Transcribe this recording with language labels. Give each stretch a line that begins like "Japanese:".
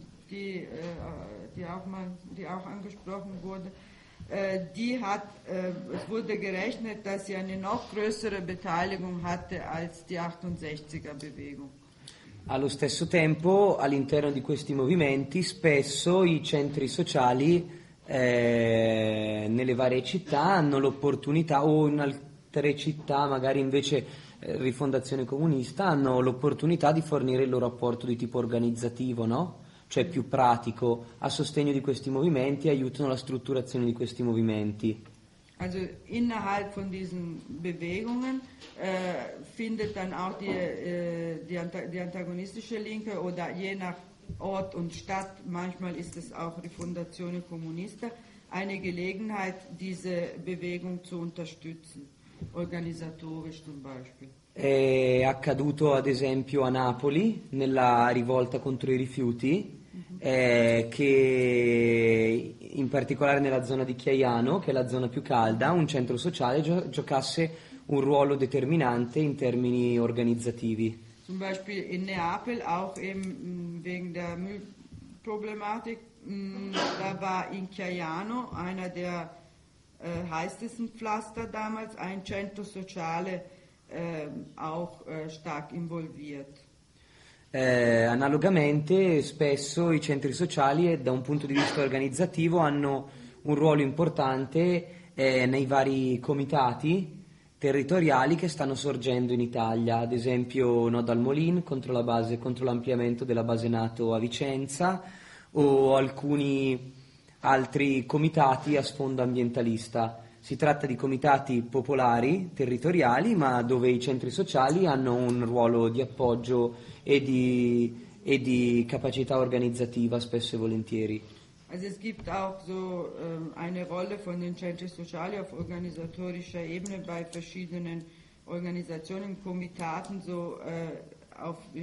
German: die auch angesprochen wurde, es wurde gerechnet, dass sie eine noch größere Beteiligung hatte als die 68er Bewegung.
Italian: Allo stesso tempo, all'interno di questi movimenti, spesso i centri sociali nelle varie città hanno l'opportunità, o in altre città magari invece Rifondazione Comunista, hanno l'opportunità di fornire il loro apporto di tipo organizzativo, no? Cioè più pratico, a sostegno di questi movimenti, aiutano la strutturazione di questi movimenti.
German: Also innerhalb von diesen Bewegungen findet dann auch die antagonistische Linke oder je nach Ort und Stadt, manchmal ist es auch Rifondazione Comunista, eine Gelegenheit, diese Bewegung zu unterstützen, organisatorisch zum Beispiel.
Italian: È accaduto ad esempio a Napoli nella rivolta contro i rifiuti, che in particolare nella zona di Chiaiano, che è la zona più calda, un centro sociale giocasse un ruolo determinante in termini organizzativi.
German: Zum Beispiel in Neapel, auch eben wegen der Müllproblematik, da war in Chiaiano einer der heißesten Pflaster damals ein centro sociale. Auch stark involviert.
Italian: Analogamente, spesso i centri sociali, da un punto di vista organizzativo, hanno un ruolo importante nei vari comitati territoriali che stanno sorgendo in Italia, ad esempio Nodo al Molin contro la base, contro l'ampliamento della base NATO a Vicenza, o alcuni altri comitati a sfondo ambientalista. Si tratta di comitati popolari, territoriali, ma dove i centri sociali hanno un ruolo di appoggio e di capacità organizzativa spesso e volentieri.
German: Also es gibt auch so eine Rolle von den centri sociali auf organisatorischer Ebene bei verschiedenen Organisationen, Komitaten so auf